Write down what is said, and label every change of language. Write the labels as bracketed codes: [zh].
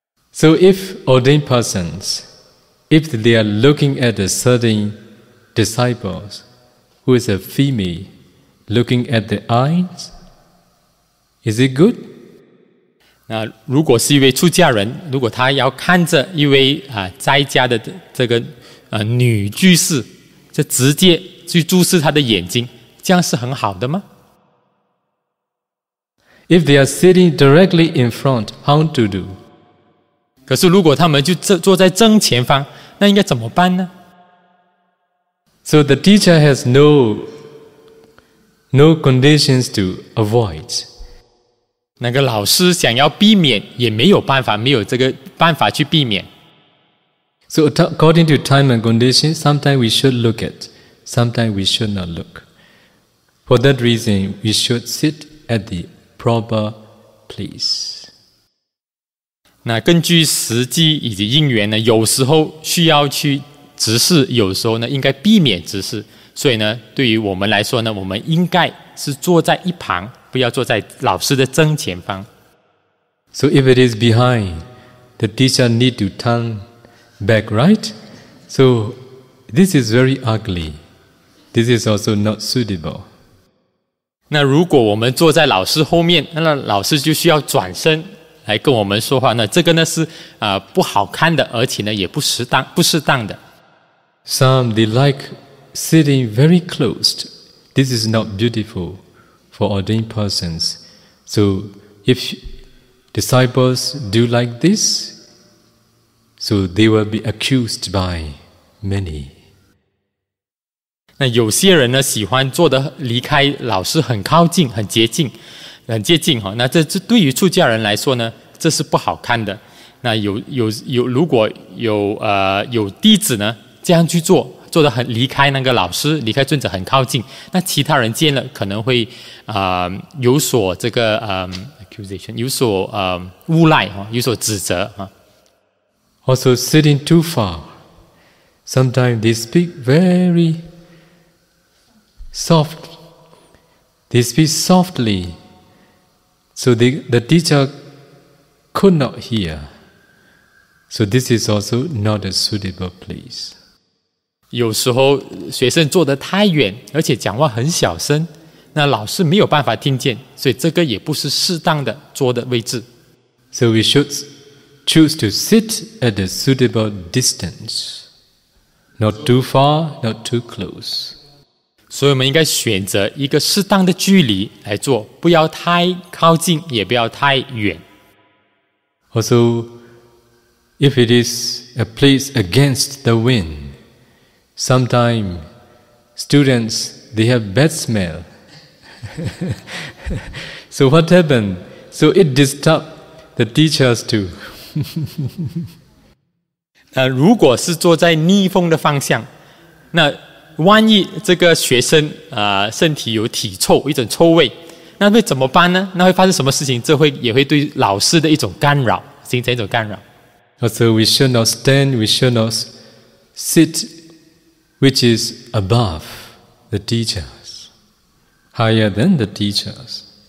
[en] So if ordained persons, if they are looking at a certain disciples who is a female, looking at the eyes, is it good? [zh] 那如果是一位出家人，如果他要看着一位在家的这个女居士，就直接去注视他的眼睛，这样是很好的吗？ [en] If they are sitting directly in front, how to do? [zh] 可是如果他们就坐在正前方，那应该怎么办呢？ [en] So the teacher has no conditions to avoid. [zh] 那个老师想要避免也没有办法，没有这个办法去避免。 [en] So according to time and condition, sometimes we should look at, sometimes we should not look. For that reason, we should sit at the proper place. [zh] 那根据时机以及因缘呢，有时候需要去直视，有时候呢应该避免直视。所以呢，对于我们来说呢，我们应该是坐在一旁，不要坐在老师的正前方。 [en] So if it is behind, the teacher need to turn back, right? So this is very ugly. This is also not suitable. [zh] 那如果我们坐在老师后面，那老师就需要转身。来跟我们说话呢，这个呢是不好看的，而且呢也不适当的。 [en] Some they like sitting very close. This is not beautiful for ordained persons. So if disciples do like this, so they will be accused by many. [zh] 那有些人呢喜欢坐的离开老师很靠近，很接近哈。那这对于出家人来说呢？这是不好看的。那有如果有有弟子呢这样去做，做得很离开那个老师，离开尊者很靠近，那其他人见了可能会有所这个 [en] accusation， [zh] 有所诬赖，有所指责。 [en] Also sitting too far, sometimes they speak very soft, they speak softly, so the teacherCould not hear, so this is also not a suitable place. [zh] 有时候学生坐得太远，而且讲话很小声，那老师没有办法听见，所以这个也不是适当的坐的位置。 [en] So we should choose to sit at a suitable distance, not too far, not too close. [zh] 所以我们应该选择一个适当的距离来坐，不要太靠近，也不要太远。 [en] Also, if it is a place against the wind, sometimes students, they have bad smell. So what happened? So it disturbed the teachers too. [zh] 如果是坐在逆风的方向，那万一这个学生身体有体臭，一种臭味，那会怎么办呢？那会发生什么事情？这会也会对老师的一种干扰。形成一种干扰。 [en] Also, we should not stand, we should not sit, which is above the teachers, higher than the teachers.